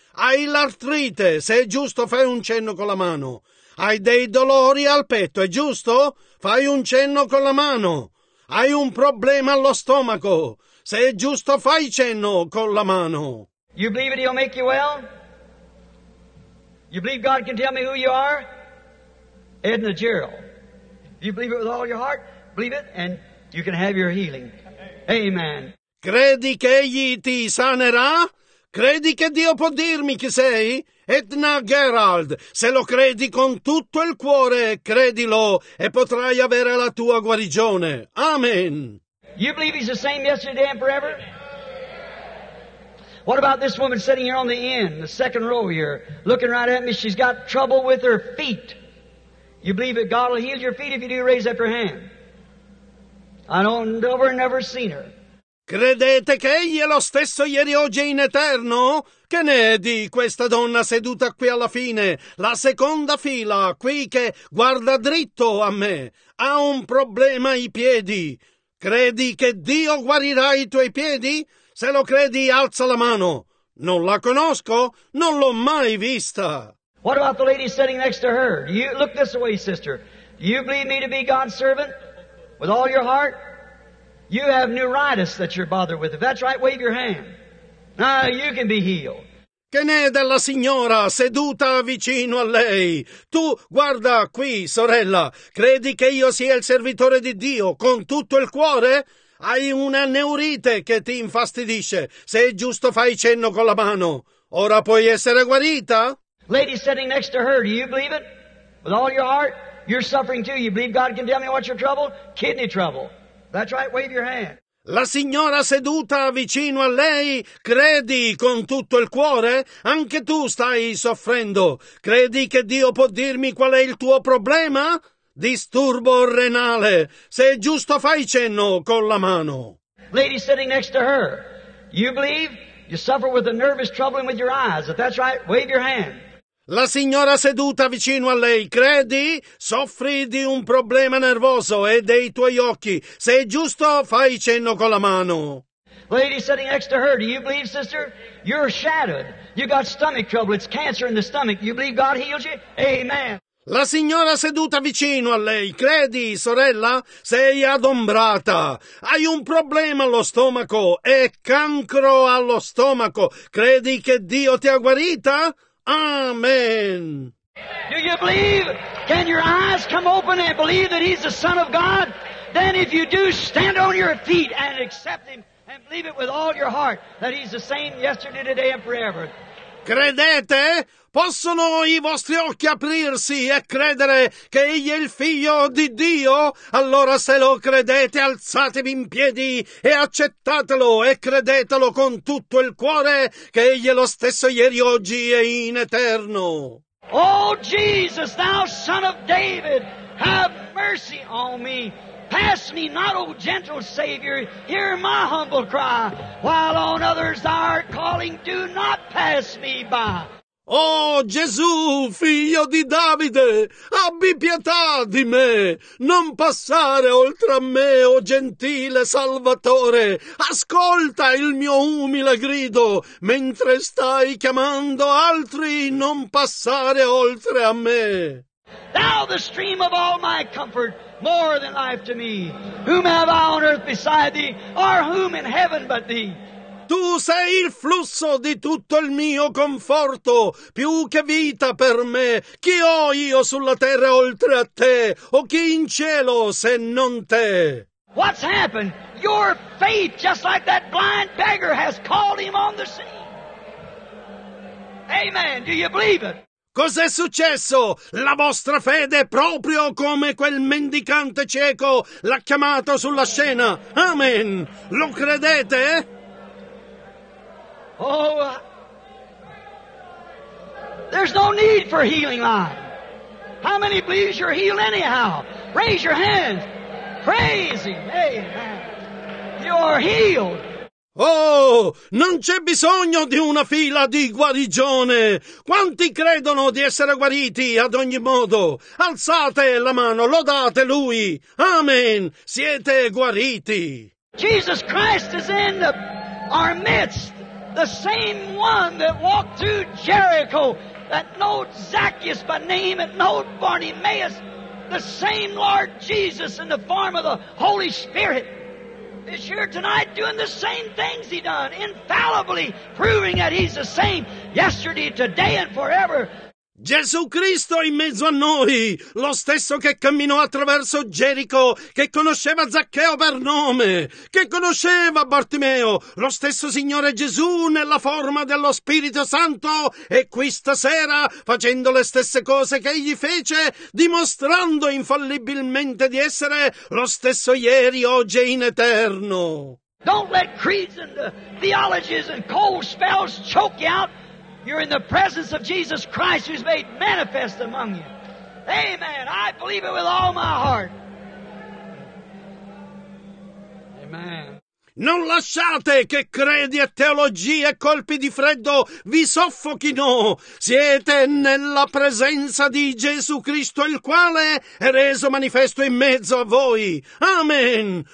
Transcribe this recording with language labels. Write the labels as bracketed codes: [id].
[it] Hai l'artrite, se è giusto fai un cenno con la mano. Hai dei dolori al petto, è giusto? Fai un cenno con la mano. Hai un problema allo stomaco. Se è giusto, fai cenno con la mano. [en] You believe it, he'll make you well? You believe God can tell me who you are? Edna Gerald. You believe it with all your heart? Believe it, and you can have your healing. Amen. [it] Credi che egli ti sanerà? Credi che Dio può dirmi chi sei? Edna Gerald. Se lo credi con tutto il cuore, credilo e potrai avere la tua guarigione. Amen. [en] You believe he's the same yesterday and forever? What about this woman sitting here on the end, the second row here, looking right at me? She's got trouble with her feet. You believe that God will heal your feet if you do? Raise up your hand. I don't ever, never seen her. [it] Credete che egli è lo stesso ieri, oggi e in eterno? Che ne è di questa donna seduta qui alla fine, la seconda fila, qui che guarda dritto a me? Ha un problema ai piedi. Credi che Dio guarirà i tuoi piedi? Se lo credi, alza la mano. Non la conosco, non l'ho mai vista. [en] What about the lady sitting next to her? You look this way, sister. Do you believe me to be God's servant with all your heart? You have neuritis that you're bothered with. If that's right, wave your hand. Now you can be healed. [it] Che ne è della signora seduta vicino a lei? Tu guarda qui, sorella. Credi che io sia il servitore di Dio con tutto il cuore? Hai una neurite che ti infastidisce. Se è giusto, fai cenno con la mano. Ora puoi essere guarita? [en] Lady sitting next to her, do you believe it? With all your heart, you're suffering too. You believe God can tell me what's your trouble? Kidney trouble. That's right, wave your hand. [it] La signora seduta vicino a lei, credi con tutto il cuore? Anche tu stai soffrendo. Credi che Dio può dirmi qual è il tuo problema? Disturbo renale. Se è giusto, fai cenno con la mano. [en] Lady sitting next to her, you believe? You suffer with a nervous trouble with your eyes. If that's right, wave your hand. [it] La signora seduta vicino a lei, credi? Soffri di un problema nervoso e dei tuoi occhi. Se è giusto, fai cenno con la mano. [en] Lady sitting next to her, do you believe, sister? You're shattered. You got stomach trouble. It's cancer in the stomach. You believe God heals you? Amen. [it] La signora seduta vicino a lei, credi, sorella? Sei adombrata. Hai un problema allo stomaco. È cancro allo stomaco. Credi che Dio ti ha guarita? Amen. [en] Do you believe? Can your eyes come open and believe that he's the Son of God? Then if you do, stand on your feet and accept him and believe it with all your heart that he's the same yesterday, today and forever. [it] Credete? Possono i vostri occhi aprirsi e credere che egli è il figlio di Dio? Allora se lo credete, alzatevi in piedi e accettatelo e credetelo con tutto il cuore che egli è lo stesso ieri, oggi e in eterno. [en] Oh Jesus, thou son of David, have mercy on me. Pass me not, O gentle Savior, hear my humble cry. While on others thou art calling, do not pass me by. [it] Oh Gesù, figlio di Davide, abbi pietà di me. Non passare oltre a me, o gentile Salvatore. Ascolta il mio umile grido. Mentre stai chiamando altri, non passare oltre a me. [en] Thou the stream of all my comfort, more than life to me. Whom have I on earth beside thee, or whom in heaven but thee? [it] Tu sei il flusso di tutto il mio conforto, più che vita per me. Chi ho io sulla terra oltre a te, o chi in cielo se non te? [en] What's happened? Your faith, just like that blind beggar, has called him on the scene. Amen. Do you believe it? [it] Cos'è successo? La vostra fede è proprio come quel mendicante cieco l'ha chiamato sulla scena. Amen. Lo credete? [en] Oh, there's no need for healing line. How many believes you're healed anyhow? Raise your hands. Praise him. Amen. You're healed. [it] Oh, non c'è bisogno di una fila di guarigione. Quanti credono di essere guariti ad ogni modo? Alzate la mano, lodate lui. Amen. Siete guariti. [en] Jesus Christ is in our midst. The same one that walked through Jericho, that knowed Zacchaeus by name and knowed Bartimaeus, the same Lord Jesus in the form of the Holy Spirit is here tonight doing the same things he done, infallibly proving that he's the same yesterday, today, and forever. [it] Gesù Cristo è in mezzo a noi, lo stesso che camminò attraverso Gerico, che conosceva Zaccheo per nome, che conosceva Bartimeo, lo stesso Signore Gesù nella forma dello Spirito Santo, e qui stasera, facendo le stesse cose che egli fece, dimostrando infallibilmente di essere lo stesso ieri, oggi e in eterno. [en] Don't let creeds and theologies and cold spells choke you out. You're in the presence of Jesus Christ, who's made manifest among you. Amen. I believe it with all my heart. Amen. [it] Non lasciate che credi a teologie e colpi di freddo vi soffochino. Siete nella presenza di Gesù Cristo, il quale è reso manifesto in mezzo a voi. Amen.